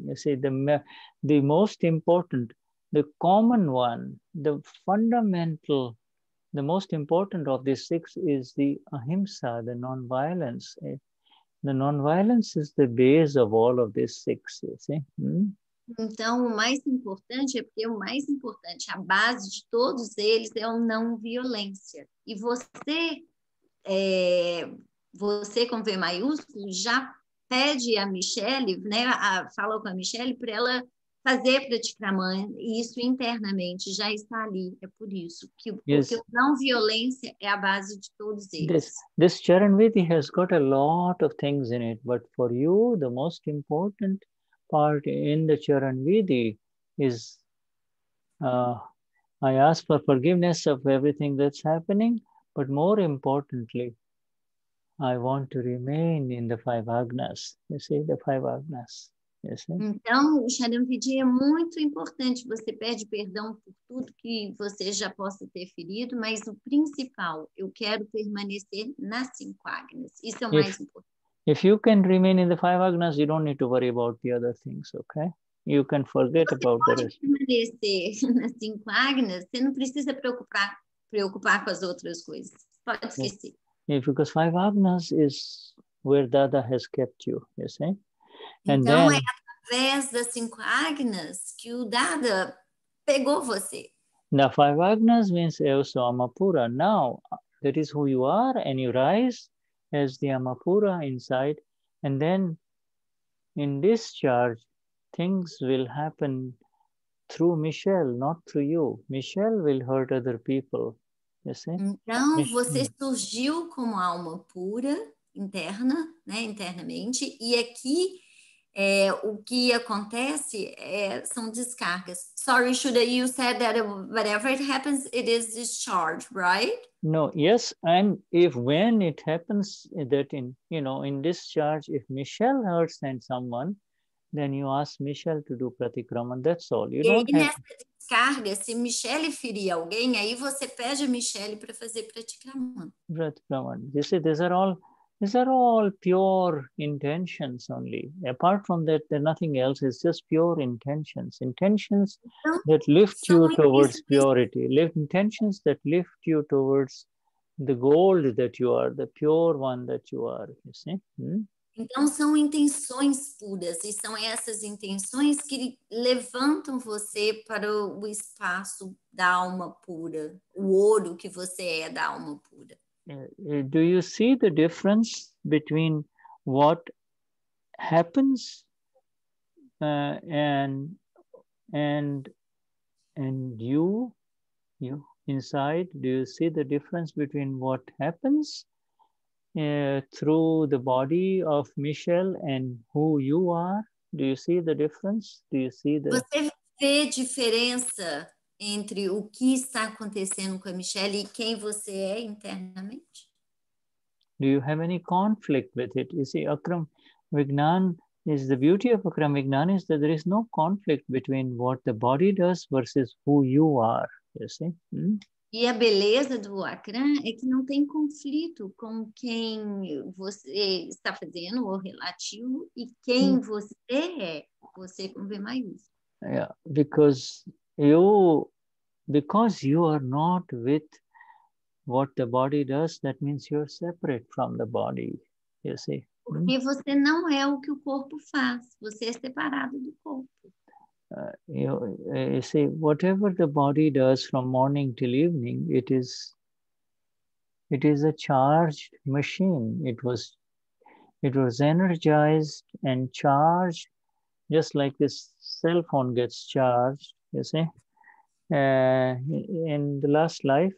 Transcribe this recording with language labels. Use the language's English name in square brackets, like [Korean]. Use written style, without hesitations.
[English] You see, the most important, the common one, the fundamental, the most important of these six is the ahimsa, the non-violence. The non-violence is the base of all of these six, you see. [Portuguese] Então, o mais importante é porque o mais importante, a base de todos eles é a não violência. E você, você com V maiúsculo, já pede a Michelle, né, falou com a Michelle para ela fazer pratikrama, e isso internamente já está ali. É por isso que porque o não violência é a base de todos eles. [English] This Charanvidhi has got a lot of things in it, but for you, the most important part in the Charanvidhi is I ask for forgiveness of everything that's happening, but more importantly, I want to remain in the five agnas. You see, the five agnas. You see? [Portuguese] Então, o Charanvidhi é muito importante. Você pede perdão por tudo que você já possa ter ferido, mas o principal, eu quero permanecer nas cinco agnas. Isso é o mais importante. [English] If you can remain in the five agnas, you don't need to worry about the other things, okay? You can forget about the rest. [Portuguese] Permanecer nas cinco agnas, você não precisa preocupar com as outras coisas. Pode esquecer. [English] Yeah, because five agnas is where Dada has kept you, you see? And [Portuguese] então, [English] then, [Portuguese] é através das cinco agnas que o Dada pegou você. [English] The five agnas means [Portuguese] eu sou Amapura. [English] Now, that is who you are and you rise as the Amapura inside, and then in discharge, things will happen through Michelle, not through you. Michelle will hurt other people, you see? [Portuguese] Então, você surgiu como alma pura, interna, né, internamente, e aqui é, o que acontece é, são descargas. [English] Sorry, Shuddha, you said that whatever it happens, it is discharge, right? No, yes, and if when it happens that in, you know, in discharge, if Michelle hurts and someone, then you ask Michelle to do pratikraman, that's all. You don't have... [Portuguese] Nessa descarga, se Michelle ferir alguém, aí você pede a Michelle para fazer pratikraman. Pratikraman. [English] You see, these are all pure intentions only. Apart from that, there's nothing else. It's just pure intentions. Intentions that lift you towards purity. Intentions that lift you towards the gold that you are, the pure one that you are, you see? [Portuguese] Então, são intenções puras. E são essas intenções que levantam você para o espaço da alma pura. O ouro que você é da alma pura. [English] Do you see the difference between what happens and you inside? Do you see the difference between what happens through the body of Michelle and who you are? Do you see the difference? Do you see the? [Portuguese] Você vê diferença entre o que está acontecendo com a Michelle e quem você é internamente? [English] Do you have any conflict with it? You see, Akram Vignan is the beauty of Akram Vignan is that there is no conflict between what the body does versus who you are, you see? [Portuguese] E a beleza do Akram é que não tem conflito com quem você está fazendo ou relativo e quem você é, você com V maiúsculo. [English] Yeah, because you are not with what the body does, that means you're separate from the body. you see. [Portuguese] Porque você não é o que o corpo faz, você é separado do corpo. [English] You see, whatever the body does from morning till evening, it is a charged machine. It was energized and charged, just like this cell phone gets charged, you see, in the last life.